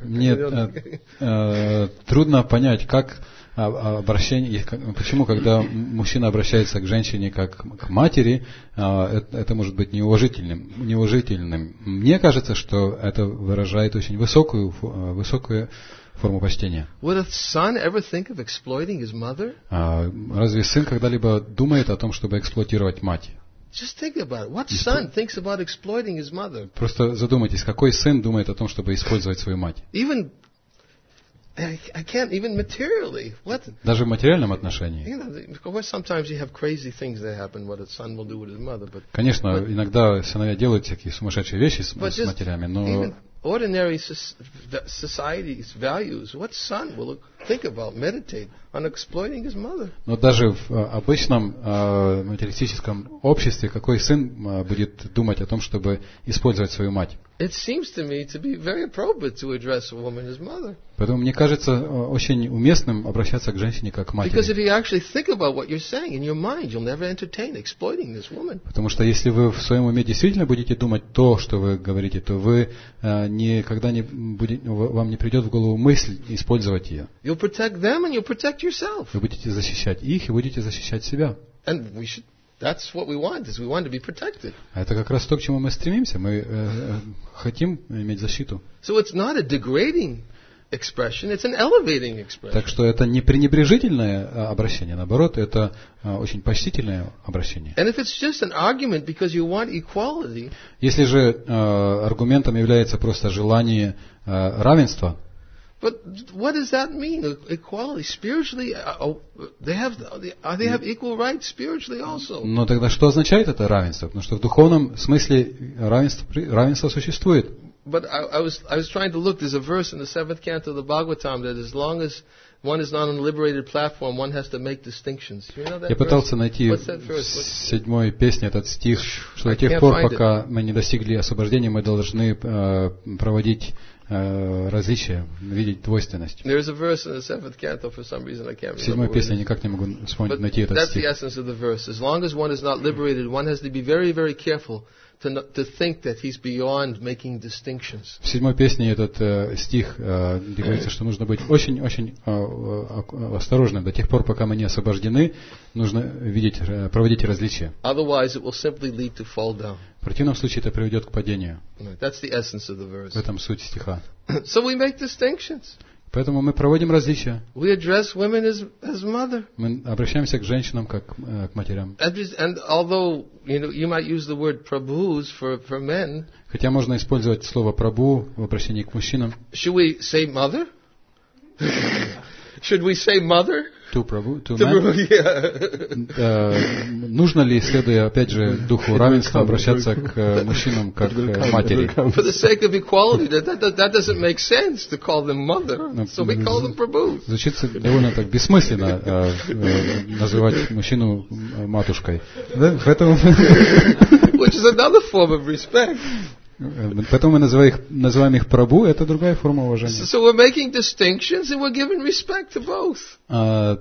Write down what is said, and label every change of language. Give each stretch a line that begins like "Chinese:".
Russian: Мне трудно понять, как обращение, почему, когда мужчина обращается к женщине как к матери, это может быть неуважительным. Мне кажется, что это выражает очень высокую форму почтения.
English: Would a son ever think of exploiting his mother?
Russian: Разве сын когда-либо думает о том, чтобы эксплуатировать мать?
English: Just think about it. What son thinks about exploiting his mother?
Russian: Просто задумайтесь, какой сын думает о том, чтобы использовать свою мать?
English: Even I can't even materially. What?
Russian: Даже в материальном отношении.
English: Sometimes you have crazy things that happen. What a son will do with his mother, but.
Russian: Конечно, иногда сыновья делают всякие сумасшедшие вещи с матерями, но.
English: Ordinary society's values. What son will think about meditate on exploiting his mother?
Russian: Но даже в обычном материалистическом обществе какой сын будет думать о том, чтобы использовать свою мать?
English: It seems to me to be very appropriate to address a woman as mother.
Russian: Поэтому мне кажется очень уместным обращаться к женщине как к матери.
English: Because if you actually think about what you're saying in your mind, you'll never entertain exploiting this woman.
Russian: Потому что если вы в своем уме действительно будете думать то, что вы говорите, то вы никогда не будет, вам не придет в голову мысль использовать ее.
English: You'll protect them and you'll protect yourself.
Russian: Вы будете защищать их и будете защищать себя.
English: And we should. That's what we want. Is we want to be protected.
Russian: Это как раз то, к чему мы стремимся. Мы хотим иметь защиту.
English: So it's not a degrading expression. It's an elevating expression.
Russian: Так что это не пренебрежительное обращение. Наоборот, это очень почтительное обращение.
English: And if it's just an argument because you want equality.
Russian: Если же аргументом является просто желание равенства.
English: But what does that mean? Equality spiritually? They have equal rights spiritually also.
Russian: Но тогда что означает это равенство? Потому что в духовном смысле равенство существует.
English: But I was trying to look. There's a verse in the seventh canto of the Bhagavatam that as long as one is not on a liberated platform, one has to make distinctions. You know that?
Russian: Я пытался найти седьмой песни этот стих, что до тех пор, пока мы не достигли освобождения, мы должны проводить различия, видеть двойственность.
English: There is a verse in the seventh canto for some reason I can't remember.
Russian: В седьмой песне никак не могу вспомнить найти этот стих.
English: That's the essence of the verse. As long as one is not liberated, one has to be very, very careful. To think that he's beyond making distinctions.
Russian: В седьмой песне этот стих говорится, что нужно быть очень-очень осторожным. До тех пор, пока мы не освобождены, нужно видеть, проводить различия.
English: Otherwise, it will simply lead to fall down.
Russian: В противном случае это приведет к падению.
English: That's the essence of the verse.
Russian: В этом суть стиха.
English: So we make distinctions.
Russian: Поэтому мы проводим различия.
English: We address women as mother.
Russian: Мы обращаемся к женщинам как к матерям.
English: And although you know you might use the word prabhus for men.
Russian: Хотя можно использовать слово прабу в обращении к мужчинам.
English: Should we say mother? Should we say mother? To prabhu, to men. Yeah.
Russian: Нужно ли, следуя опять же духу равенства, обращаться к мужчинам как к матери?
English: For the sake of equality, that doesn't make sense to call them mother. So we call them prabhu.
Russian: Звучит довольно так бессмысленно называть мужчину матушкой.
English: Which is another form of respect.
Russian: Поэтому мы называем их прабу, это другая форма уважения.